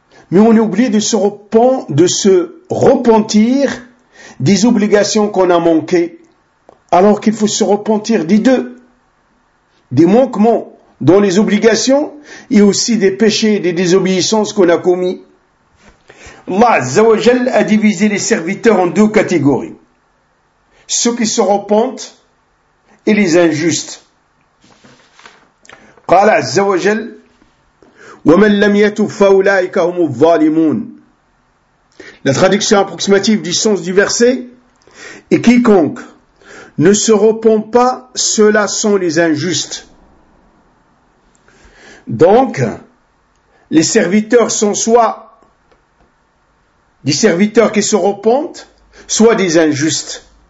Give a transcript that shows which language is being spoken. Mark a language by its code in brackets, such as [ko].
[fr] Mais on oublie de se repentir des obligations qu'on a manquées, alors qu'il faut se repentir des deux, des manquements dans les obligations et aussi des péchés, des désobéissances qu'on a commis. Allah Azza wa Jal a divisé les serviteurs en deux catégories. Ceux qui se repentent et les injustes. [ar] Qala Azza wa Jal, وَمَنْ لَمْ يَتُوبْ فَأُولَٰئِكَ هُمُ الظَّالِمُونَ. [fr] La traduction approximative du sens du verset est « Quiconque ne se repent pas, ceux-là sont les injustes. » Donc, les serviteurs sont soit des serviteurs qui se repentent, soit des injustes.